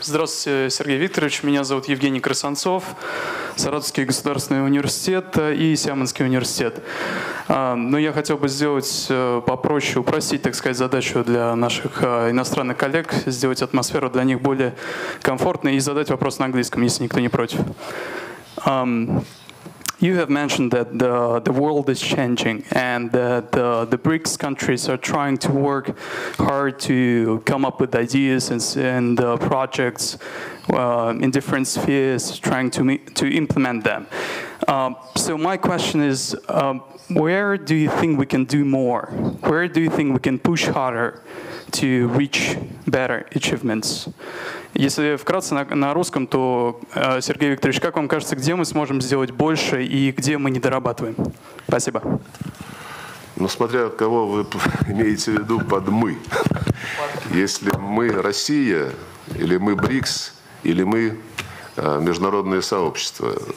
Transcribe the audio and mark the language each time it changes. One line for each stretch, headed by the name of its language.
Russian: Здравствуйте, Сергей Викторович. Меня зовут Евгений Красанцов, Саратовский государственный университет и Сямынский университет. Но я хотел бы сделать попроще, упростить, так сказать, задачу для наших иностранных коллег, сделать атмосферу для них более комфортной и задать вопрос на английском, если никто не против.
English: You have mentioned that the world is changing and that the BRICS countries are trying to work hard to come up with ideas and projects in different spheres, trying to implement them. So my question is, where do you think we can do more? Where do you think we can push harder to reach better achievements?
Russian: Если вкратце на русском, то, Сергей Викторович, как вам кажется, где мы сможем сделать больше и где мы недорабатываем? Спасибо. Ну, смотря от кого вы имеете в виду под «мы». Если мы Россия, или мы БРИКС, или мы международное сообщество.